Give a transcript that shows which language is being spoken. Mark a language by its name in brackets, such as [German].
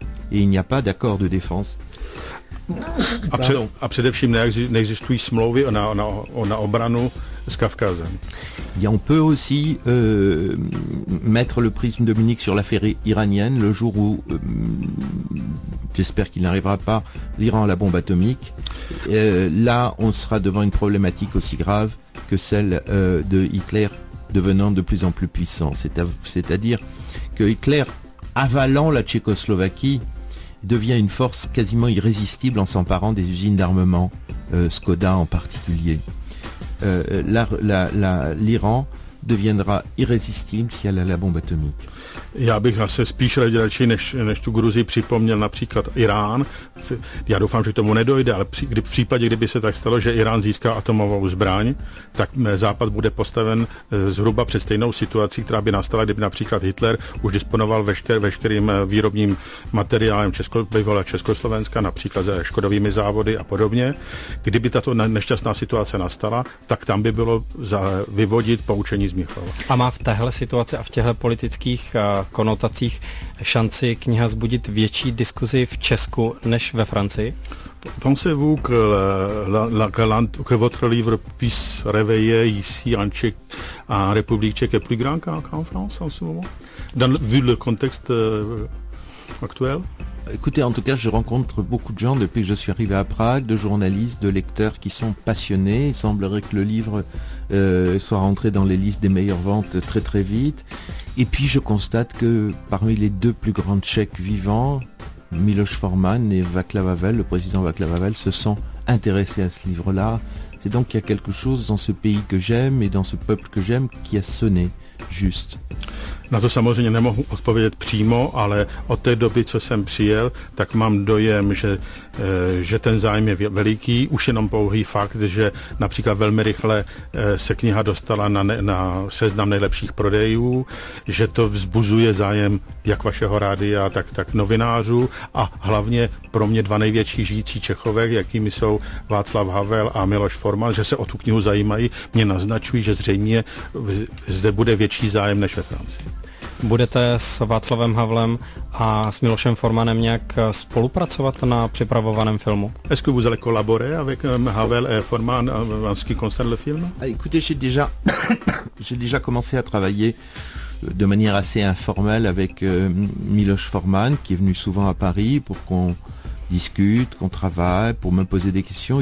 [French] Il n'y a pas d'accord de défense. [Czech] A především neexistují smlouvy na obranu s Kavkazem. [French] Et on peut aussi mettre le prisme de Munich sur l'affaire iranienne, le jour où, j'espère qu'il n'arrivera pas, l'Iran a la bombe atomique. Là, on sera devant une problématique aussi grave que celle de Hitler devenant de plus en plus puissant. C'est-à-dire que Hitler, avalant la Tchécoslovaquie, devient une force quasiment irrésistible en s'emparant des usines d'armement, Skoda en particulier. L'Iran deviendra irrésistible si elle a la bombe atomique. [Czech] Já bych zase spíš raději než tu Gruzii připomněl například Irán. Já doufám, že k tomu nedojde, ale v případě, kdyby se tak stalo, že Irán získá atomovou zbraň, tak Západ bude postaven zhruba před stejnou situací, která by nastala, kdyby například Hitler už disponoval veškerým výrobním materiálem bývalé Československa, například se škodovými závody a podobně. Kdyby tato nešťastná situace nastala, tak tam by bylo vyvodit poučení Smíchova. A má v téhle situaci a v těchto politických konotacích šanci kniha vzbudit větší diskuzi v Česku než ve Francii? [French] Pensez-vous que que votre livre puisse réveiller ici en Tchèque, en République tchèque est plus grand qu'en France en ce moment, vu le contexte actuel? Écoutez, en tout cas, je rencontre beaucoup de gens depuis que je suis arrivé à Prague, de journalistes, de lecteurs qui sont passionnés. Il semblerait que le livre soit rentré dans les listes des meilleures ventes très très vite. Et puis je constate que parmi les deux plus grands tchèques vivants, Miloš Forman et Václav Havel, le président Václav Havel, se sent intéressé à ce livre-là. C'est donc qu'il y a quelque chose dans ce pays que j'aime et dans ce peuple que j'aime qui a sonné juste. [Czech] Na to samozřejmě nemohu odpovědět přímo, ale od té doby, co jsem přijel, tak mám dojem, že ten zájem je veliký. Už jenom pouhý fakt, že například velmi rychle se kniha dostala na seznam nejlepších prodejů, že to vzbuzuje zájem jak vašeho rádia, tak novinářů a hlavně pro mě dva největší žijící Čechové, jakými jsou Václav Havel a Miloš Forman, že se o tu knihu zajímají, mě naznačují, že zřejmě zde bude větší zájem než ve Francii. Budete s Václavem Havlem a s Milošem Formanem nějak spolupracovat na připravovaném filmu? [French] Est-ce que vous allez collaborer avec Havel et Forman en ce qui concerne le film? Écoutez, j'ai déjà commencé à travailler de manière assez informelle avec Miloš Forman, qui est venu souvent à Paris pour qu'on discute, qu'on travaille, pour me poser des questions.